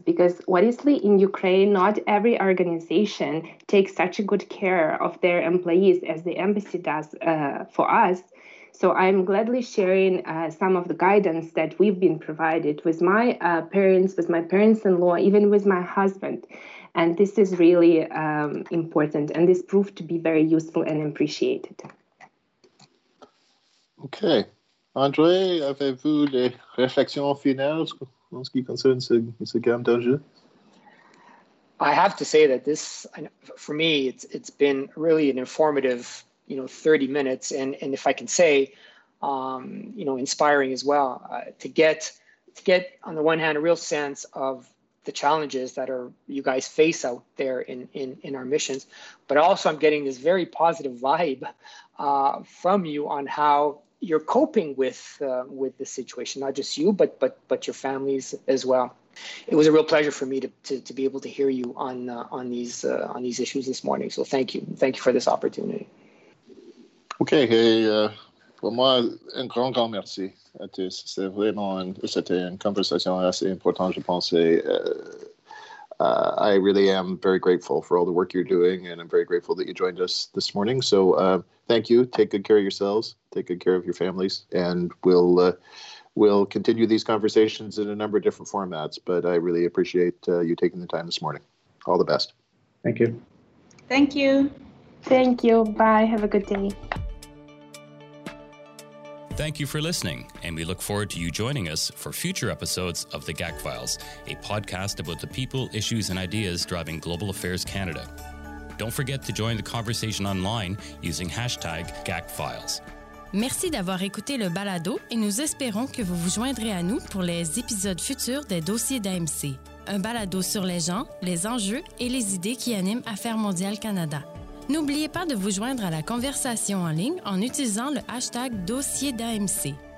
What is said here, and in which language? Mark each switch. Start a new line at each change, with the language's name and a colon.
English: Because honestly, in Ukraine, not every organization takes such a good care of their employees as the embassy does for us. So I'm gladly sharing some of the guidance that we've been provided with my parents, with my parents-in-law, even with my husband. And this is really important. And this proved to be very useful and appreciated. Okay.
French: André, avez-vous des réflexions finales en ce qui concerne ce gamme d'enjeux?
English: I have to say that this, for me, it's been really an informative, you know, 30 minutes, and if I can say, you know, inspiring as well, to get on the one hand a real sense of the challenges that are you guys face out there in our missions, but also I'm getting this very positive vibe from you on how you're coping with the situation, not just you, but your families as well. It was a real pleasure for me to be able to hear you on these issues this morning. So thank you for this opportunity.
French: OK, et pour moi, un grand, grand merci à tous. C'est vraiment, c'était une conversation assez importante, je pense.
English: I really am very grateful for all the work you're doing, and I'm very grateful that you joined us this morning. So thank you. Take good care of yourselves. Take good care of your families. And we'll continue these conversations in a number of different formats. But I really appreciate you taking the time this morning. All the best. Thank you. Thank you. Thank you. Bye. Have a good day. Thank you for listening, and we look forward to you joining us for future episodes of The GAC Files, a podcast about the people, issues, and ideas driving Global Affairs Canada. Don't forget to join the conversation online using hashtag GAC Files.
French: Merci d'avoir écouté le balado, et nous espérons que vous vous joindrez à nous pour les épisodes futurs des dossiers d'AMC, un balado sur les gens, les enjeux et les idées qui animent Affaires mondiales Canada. N'oubliez pas de vous joindre à la conversation en ligne en utilisant le hashtag dossier d'AMC.